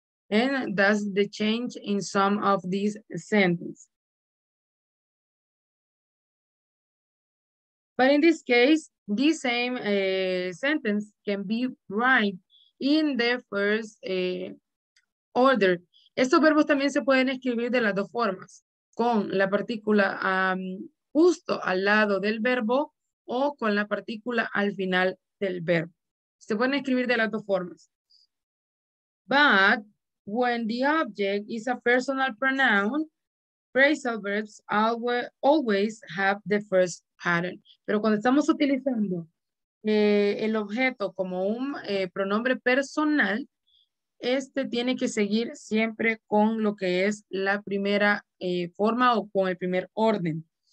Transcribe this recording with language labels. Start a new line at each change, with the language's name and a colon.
English: And that's the change in some of these sentences. But in this case, this same sentence can be right in the first order.
Spanish: Estos verbos también se pueden escribir de las dos formas, con la partícula justo al lado del verbo o con la partícula al final del verbo. Se pueden escribir de las dos formas.
English: But when the object is a personal pronoun, phrasal verbs always have the first pattern.
Spanish: Pero cuando estamos utilizando el objeto como un pronombre personal, este tiene que seguir siempre con lo que es la primera forma o con el primer orden.